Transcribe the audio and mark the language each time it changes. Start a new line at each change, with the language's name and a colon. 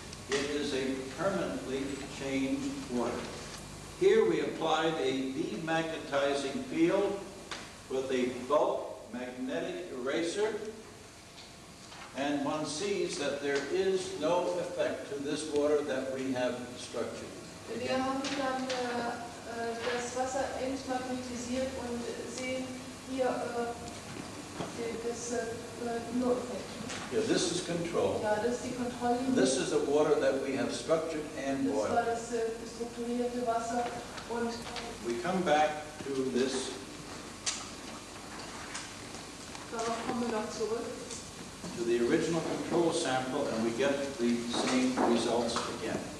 English: It is a permanently changed water. Here we applied a demagnetizing field with a bulk magnetic eraser, and one sees that there is no effect to this water that we have structured.
German: Wir haben dann das Wasser entmagnetisiert und sehen hier das Null-Effekt.
English: Yeah, this is control.
German: Ja, das ist die Kontrolle.
English: This is the water that we have structured and boiled.
German: Das war das strukturierte Wasser und
English: we come back to this.
German: Darauf kommen wir dann zurück.
English: To the original control sample, and we get the same results again.